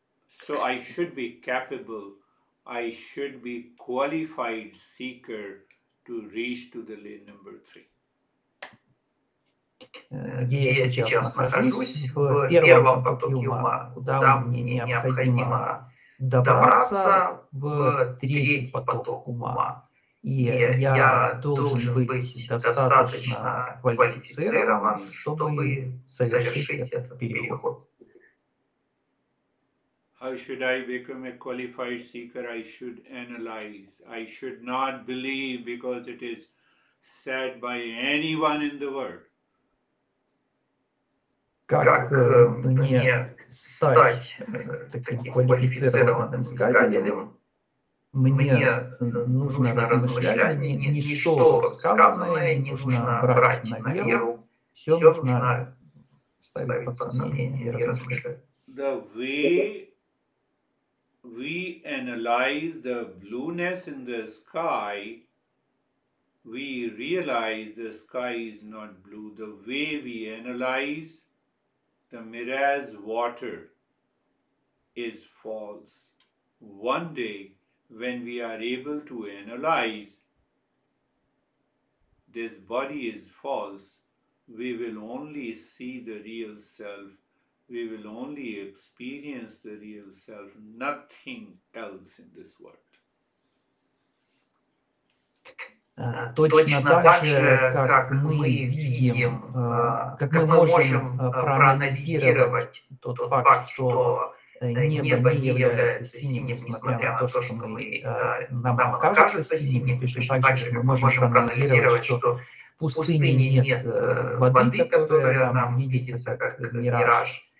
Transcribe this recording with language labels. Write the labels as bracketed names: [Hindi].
[English] So I should be capable, I should be qualified seeker to reach to the lane number three. [Russian] Где я сейчас нахожусь, в первом потоке ума, куда мне необходимо добраться, в третий поток ума. И я должен быть достаточно квалифицирован, чтобы совершить этот переход. [English] How should I become a qualified seeker? I should analyze. I should not believe because it is said by anyone in the world. [Russian] Как мне стать таким квалифицированным искателем? Мне нужно размышлять, не что сказанное, не нужно брать на веру, все нужно ставить под сомнение и размышлять. [English] The way we analyze the blueness in the sky, we realize the sky is not blue. The way we analyze the mirage water is false. One day, when we are able to analyze this body is false, we will only see the real self, we will only experience the real self, nothing else in this world. [Russian] Точно так же, как мы видим, как мы можем проанализировать тот факт, что небо не является синим, несмотря на то, что мы, нам кажется синим, точно так же мы можем проанализировать, что в пустыне нет воды, которая нам видится как мираж.